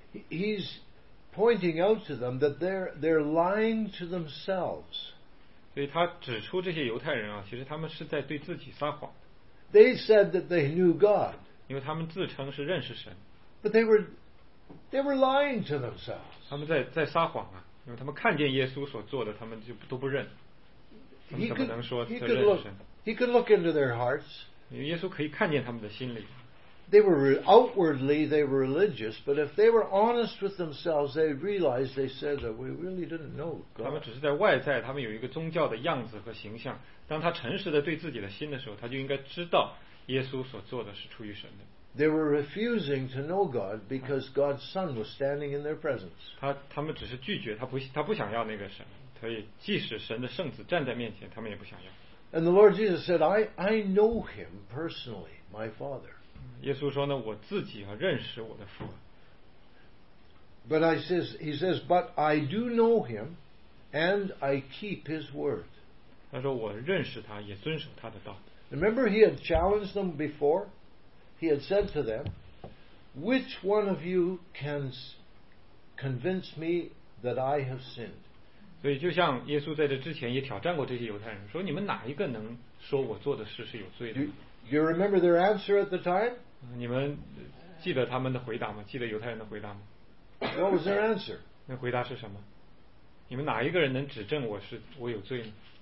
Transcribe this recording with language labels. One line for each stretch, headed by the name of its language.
English: He's pointing out to them that they're lying to themselves.
Chinese: 所以他指出这些犹太人啊，其实他们是在对自己撒谎。
English: They said that they knew God.
Chinese: 因为他们自称是认识神。
English: But they were lying to themselves.
Chinese: 他们在撒谎啊，因为他们看见耶稣所做的，他们就都不认。他们怎么能说他认识神？
English: He could look into their hearts.
Chinese: 因为耶稣可以看见他们的心里。
English: They were outwardly they were religious, but if they were honest with themselves, they realized they said that we really didn't know God.
Chinese: 他们只是在外在，他们有一个宗教的样子和形象。当他诚实的对自己的心的时候，他就应该知道耶稣所做的是出于神的。
English: They were refusing to know God because God's Son was standing in their presence.
Chinese: 他们只是拒绝，他不想要那个神，所以即使神的圣子站在面前，他们也不想要。
English: And the Lord Jesus said, I know him personally, my Father.
Chinese: 耶稣说呢，我自己啊认识我的父。
English: But I says, he says, but I do know him, and I keep his word.
Chinese: 他说我认识他，也遵守他的道。
English: Remember, he had challenged them before. He had said to them, "Which one of you can convince me that I have sinned?"
Chinese: 所以就像耶稣在这之前也挑战过这些犹太人，说你们哪一个能说我做的事是有罪的？
English: You remember their answer at the time?
Chinese: 你们记得他们的回答吗？记得犹太人的回答吗？
English: What was their answer?
Chinese: 那回答是什么？你们哪一个人能指证我有罪呢？